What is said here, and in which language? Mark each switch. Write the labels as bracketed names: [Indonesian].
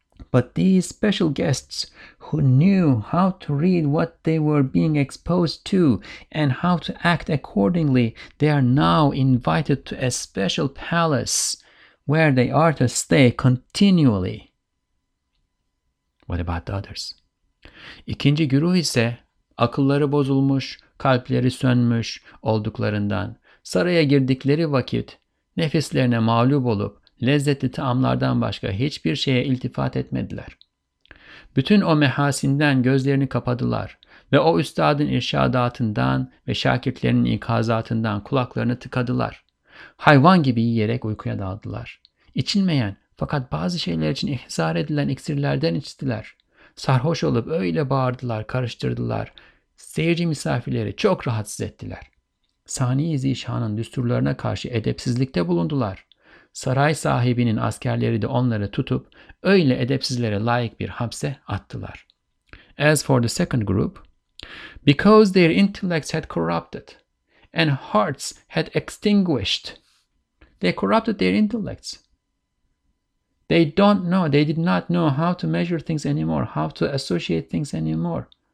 [English] But these special guests who knew how to read what they were being exposed to and how to act accordingly, they are now invited to a special palace where they are to stay continually. What about the others? [Turkish] İkinci güruh ise akılları bozulmuş, kalpleri sönmüş olduklarından Saraya girdikleri vakit nefislerine mağlup olup lezzetli taamlardan başka hiçbir şeye iltifat etmediler. Bütün o mehasinden gözlerini kapadılar ve o üstadın irşadatından ve şakirtlerinin ikazatından kulaklarını tıkadılar. Hayvan gibi yiyerek uykuya daldılar. İçilmeyen fakat bazı şeyler için ihzar edilen iksirlerden içtiler. Sarhoş olup öyle bağırdılar, karıştırdılar. Seyirci misafirleri çok rahatsız ettiler. Sani-i Zişan'ın düsturlarına karşı edepsizlikte bulundular. Saray sahibinin askerleri de onları tutup öyle edepsizlere layık bir hapse attılar. [English] As for the second group, because their intellects had corrupted and hearts had extinguished, they corrupted their intellects. They don't know, they did not know how to measure things anymore, how to associate things anymore.